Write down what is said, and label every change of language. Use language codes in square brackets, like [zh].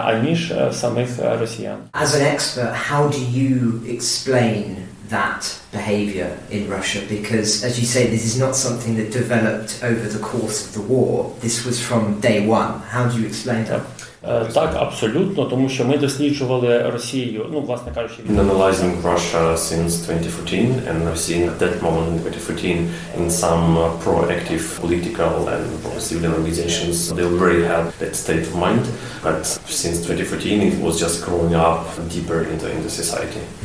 [en] As an expert, how do you explain that behavior in Russia? Because as you say, this is not something that developed over the course of the war. This was from day one. How do you explain that? [uk] Так, абсолютно, тому що ми досліджували Росію, ну, власне кажучи, [en] been analyzing Russia since 2014, and I've seen at that moment in 2014 in some proactive political and civilian organizations, they already had that state of mind, but since 2014 it was just growing up deeper into society.